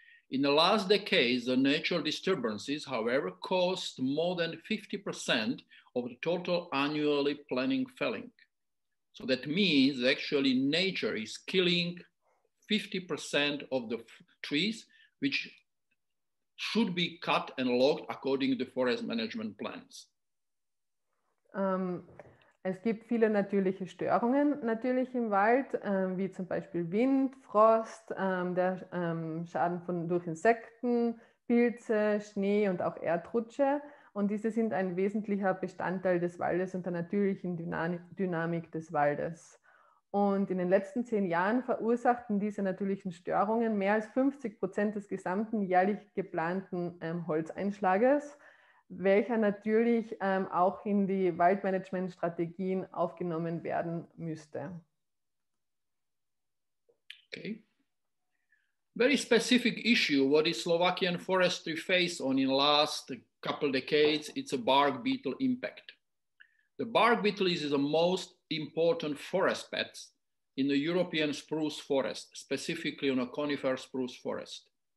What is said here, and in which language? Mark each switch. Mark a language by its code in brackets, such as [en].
[en] In the last decades, the natural disturbances, however, caused more than 50% of the total annually planning felling. So that means actually nature is killing 50% of the trees, which should be cut and logged according to the forest management plans. [de] Es gibt viele natürliche Störungen natürlich im Wald, wie zum Beispiel Wind, Frost, der Schaden von, durch Insekten, Pilze, Schnee und auch Erdrutsche. Und diese sind ein wesentlicher Bestandteil des Waldes und der natürlichen Dynamik des Waldes. Und in den letzten 10 Jahren verursachten diese natürlichen Störungen mehr als 50% des gesamten jährlich geplanten Holzeinschlages, welcher natürlich auch in die Waldmanagementstrategien aufgenommen werden müsste. [en] Okay. Very specific issue, what is Slovakian forestry face on in last couple decades, it's a bark beetle impact. The bark beetle is the most important forest pests in the European spruce forest, specifically on a conifer spruce forest.